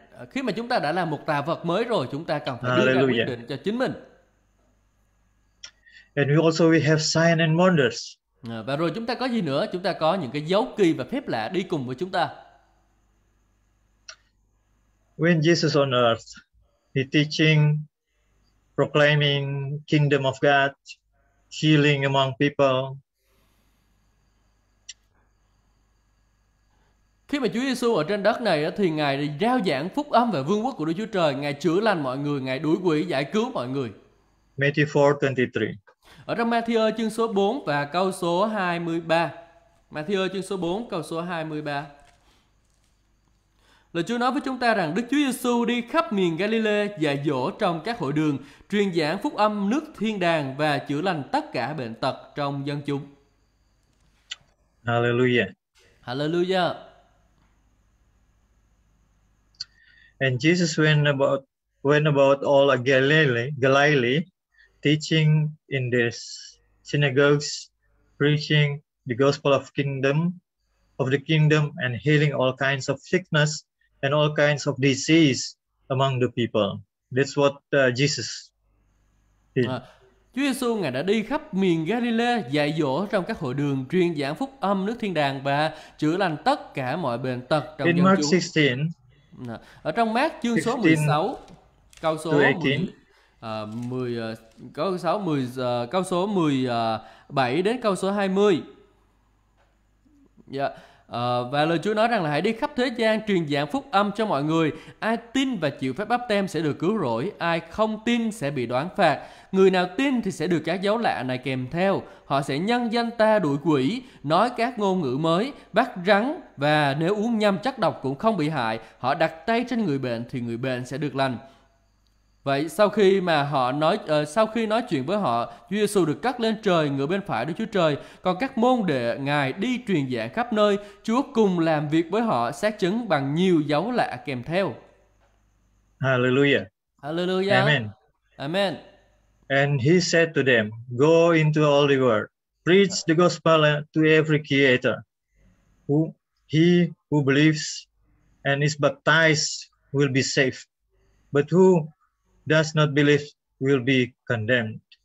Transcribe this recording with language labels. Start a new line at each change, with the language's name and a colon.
Vietnamese: Khi mà chúng ta đã làm một tạo vật mới rồi, chúng ta cần phải đưa ra quyết định cho chính mình.
English: And we have sign and wonders.
Vietnamese: Và rồi chúng ta có gì nữa? Chúng ta có những cái dấu kỳ và phép lạ đi cùng với chúng ta.
English: When Jesus on earth, he teaching, proclaiming kingdom of God, healing among people.
Vietnamese: Khi mà Chúa Giêsu ở trên đất này thì Ngài rao giảng phúc âm về vương quốc của Đức Chúa Trời, Ngài chữa lành mọi người, Ngài đuổi quỷ, giải cứu mọi người.
English: Matthew 4:23.
Vietnamese: Ở trong Matthew chương số 4 và câu số 23. Matthew chương số 4 câu số 23. Lời Chúa nói với chúng ta rằng Đức Chúa Giêsu đi khắp miền Galilê dạy dỗ trong các hội đường, truyền giảng phúc âm nước thiên đàng và chữa lành tất cả bệnh tật trong dân chúng. Hallelujah. Hallelujah.
English: And Jesus went about all of Galilee, teaching in the synagogues, preaching the gospel of the kingdom and healing all kinds of sickness and all kinds of disease among the people. That's what Jesus did.
Vietnamese: Chúa Giêsu ngài đã đi khắp miền Galilee dạy dỗ trong các hội đường, truyền giảng phúc âm nước thiên đàng và chữa lành tất cả mọi bệnh tật trong dân
English: Mark
Vietnamese: chúng.
English: 16,
Vietnamese: ở trong Mác chương số 16 câu số 18. 10 câu 6 10 câu số 17 đến câu số 20. Dạ. Và lời Chúa nói rằng là hãy đi khắp thế gian truyền giảng phúc âm cho mọi người. Ai tin và chịu phép báp têm sẽ được cứu rỗi, ai không tin sẽ bị đoán phạt. Người nào tin thì sẽ được các dấu lạ này kèm theo. Họ sẽ nhân danh ta đuổi quỷ, nói các ngôn ngữ mới, bắt rắn, và nếu uống nhầm chất độc cũng không bị hại. Họ đặt tay trên người bệnh thì người bệnh sẽ được lành. Vậy sau khi mà họ nói sau khi nói chuyện với họ, Chúa Giêsu được cất lên trời ngửa bên phải Đức Chúa Trời, còn các môn đệ ngài đi truyền giảng khắp nơi, Chúa cùng làm việc với họ, xác chứng bằng nhiều dấu lạ kèm theo. Hallelujah. Hallelujah. Amen. Amen.
English: And he said to them, go into all the world, preach the gospel to every creature. He who believes and is baptized will be saved. But who does not believe will be condemned.